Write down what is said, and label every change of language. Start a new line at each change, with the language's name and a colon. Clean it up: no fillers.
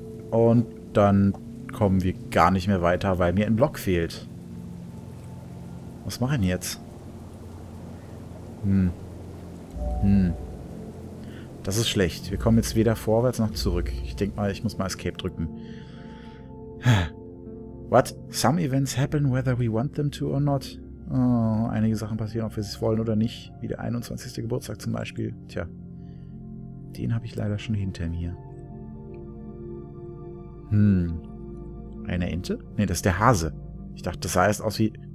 German: Und dann kommen wir gar nicht mehr weiter, weil mir ein Block fehlt. Was mache ich denn jetzt? Das ist schlecht. Wir kommen jetzt weder vorwärts noch zurück. Ich denke mal, ich muss mal Escape drücken.
English: What? Some events happen whether we want them to or not.
German: Oh, einige Sachen passieren, ob wir es wollen oder nicht. Wie der 21. Geburtstag zum Beispiel. Tja. Den habe ich leider schon hinter mir. Eine Ente? Nee, das ist der Hase. Ich dachte, das sah erst aus wie...